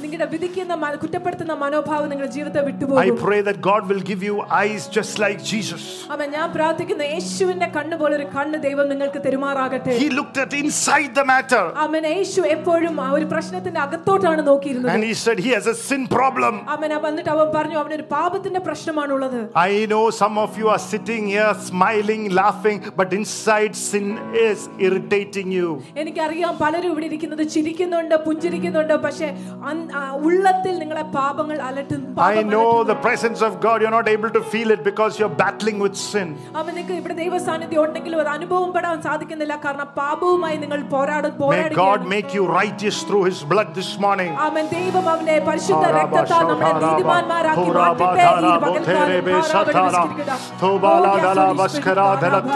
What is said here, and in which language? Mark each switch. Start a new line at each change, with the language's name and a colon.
Malayalam: നിങ്ങളുടെ വിധിക്കുന്ന കുറ്റപ്പെടുത്തുന്ന മനോഭാവം നിങ്ങളുടെ ജീവിതത്തെ വിട്ടുപോകും.
English: I pray that God will give you eyes just like Jesus.
Malayalam: അമ്മേ, ഞാൻ പ്രാർത്ഥിക്കുന്ന യേശുവിന്റെ കണ്ണ് പോലെ ഒരു കണ്ണ് ദൈവം നിങ്ങൾക്ക് തരുമാറാകട്ടെ.
English: He looked at inside the matter.
Malayalam: അമ്മേ, യേശു എപ്പോഴും ആ ഒരു പ്രശ്നത്തിന്റെ അകത്തോട്ടാണ് നോക്കിയിരുന്നത്.
English: And he said he has a sin problem.
Malayalam: അമ്മേ, വന്നിട്ട് അവൻ പറഞ്ഞു അവന് ഒരു പാപത്തിന്റെ പ്രശ്നമാണ് ഉള്ളത്.
English: I know some of you are sitting here smiling, laughing, but inside sin is irritating you.
Malayalam: എനിക്ക് അറിയാം പലരും ഇവിടെ ഇരിക്കുന്നത് ചിരിക്കുന്നുണ്ട് പുഞ്ചിരിക്കുന്നുണ്ട്, പക്ഷേ ഉള്ളത്തിൽ നിങ്ങളുടെ പാപങ്ങൾ അലട്ടുന്നു.
English: I know the presence of God, you're not able to feel it because you're battling with sin.
Malayalam: അവൻ നിങ്ങൾക്ക് ഇവിടെ ദൈവസാന്നിധ്യം ഉണ്ടെങ്കിലും ഒരു അനുഭവം പെടാൻ സാധിക്കുന്നില്ല, കാരണം പാപവുമായി നിങ്ങൾ പോരാടുകയാണ്.
English: May God make you righteous through his blood this morning.
Malayalam: അവൻ ദൈവം അവനെ പരിശുദ്ധ രക്തത്താൽ നമ്മളെ നീതിമാന്മാരാക്കി മാറ്റട്ടെ. ഈ പകൽ കാലം തോബാലാ ദലാ വസ്കരാ ദലത്ത